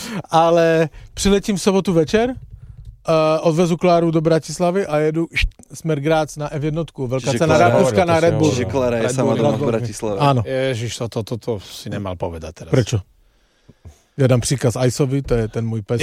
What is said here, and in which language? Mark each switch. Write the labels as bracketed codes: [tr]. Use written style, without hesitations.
[cs] Ale přiletím v sobotu večer, odvezu Kláru do Bratislavy a jedu smer Graz na F1, velká cena Rakouska na Red Bull. [sk] Čiže Klára je sama doma v Bratislave. Áno. Ježiš, to si nemal povedať teraz. Prečo? [cs] Ja dám příkaz Ajsovi, to je ten můj pes.